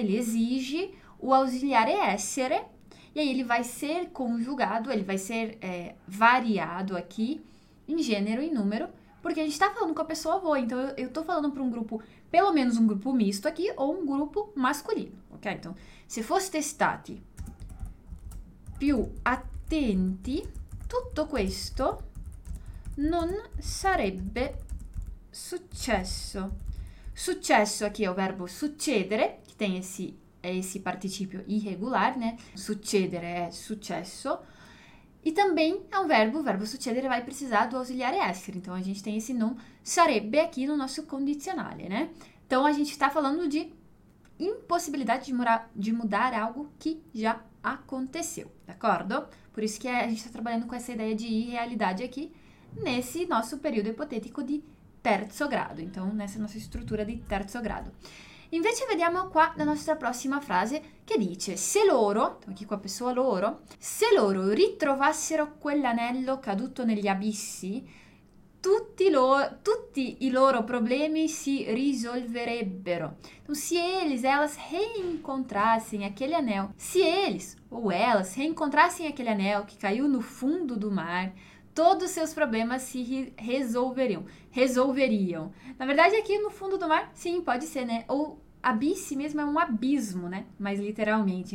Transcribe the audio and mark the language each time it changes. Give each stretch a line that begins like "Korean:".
Portuguese: Ele exige o ausiliare essere, e aí ele vai ser conjugado, ele vai ser variado aqui em gênero e número Porque a gente tá falando com a pessoa avô, então eu tô falando pra um grupo, pelo menos um grupo misto aqui, ou um grupo masculino, ok?
Italian: Então, se foste stati più attenti, tutto questo non sarebbe successo.
Portuguese: Successo aqui é o verbo succedere, que tem esse participio irregular, né? Succedere é successo. E também é um verbo, o verbo succedere vai precisar do ausiliare essere. Então a gente tem esse non sarebbe aqui no nosso condizionale, né? Então a gente está falando de impossibilidade de mudar algo que já aconteceu, d'accordo? Por isso que a gente está trabalhando com essa ideia de irrealidade aqui nesse nosso período ipotético de terzo grado. Então nessa nossa estrutura di terzo grado.
Italian: Invece vediamo qua la nostra prossima frase che dice se loro, anche qua persona loro, se loro ritrovassero quell'anello caduto negli abissi, tutti i loro problemi si risolverebbero.
Portuguese: Então, se eles, elas reincontrassem aquele anel, se eles ou elas reincontrassem aquele anel que caiu no fundo do mar, todos os seus problemas se resolveriam. Resolveriam. Na verdade, aqui no fundo do mar, sim, pode ser, né? Ou abisse mesmo é um abismo, né? Mas literalmente.